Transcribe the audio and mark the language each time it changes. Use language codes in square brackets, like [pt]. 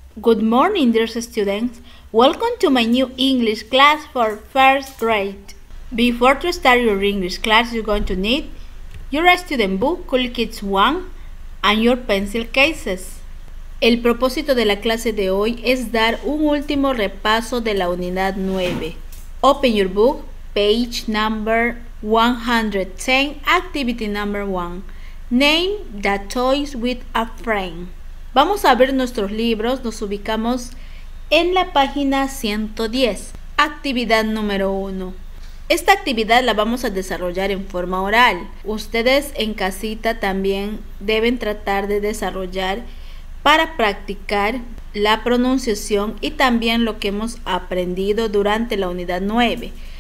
[en] Good morning, dear students. Welcome to my new English class for first grade. Before to start your English class, you're going to need your student book, Cool Kids 1, and your pencil cases. [es] El propósito de la clase de hoy es dar un último repaso de la unidad 9. [en] Open your book, page number 110, activity number 1. Name the toys with a frame. [es] Vamos a ver nuestros libros, nos ubicamos en la página 110, actividad número 1. Esta actividad la vamos a desarrollar en forma oral. Ustedes en casita también deben tratar de desarrollar para practicar la pronunciación y también lo que hemos aprendido durante la unidad 9.